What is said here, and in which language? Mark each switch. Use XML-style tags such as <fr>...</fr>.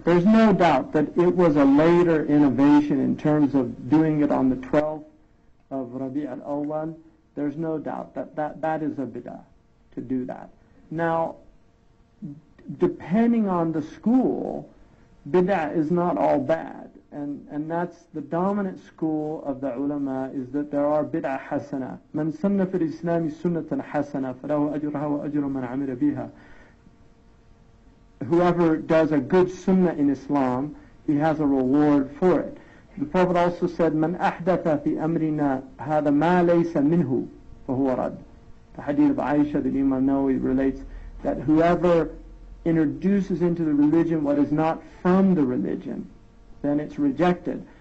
<en>There's no doubt that it was a later innovation in terms of doing it on the 12th of Rabi' al-Awwal. There's no doubt that is a bid'ah to do that. Now, depending on the school, bid'ah is not all bad. And that's the dominant school of the ulama, is that there are bid'ah hasana.</en> <ar>من سن في الإسلام سنة حسنة فله أجرها وأجر من عمل بها.</ar> <en>Whoever does a good sunnah in Islam, he has a reward for it. The Prophet also said, "Man ahdatha fi amrina hada ma laysa minhu, fahuwa rad." The hadith of Aisha, the Imam Nawawi, relates that whoever introduces into the religion what is not from the religion, then it's rejected.</en>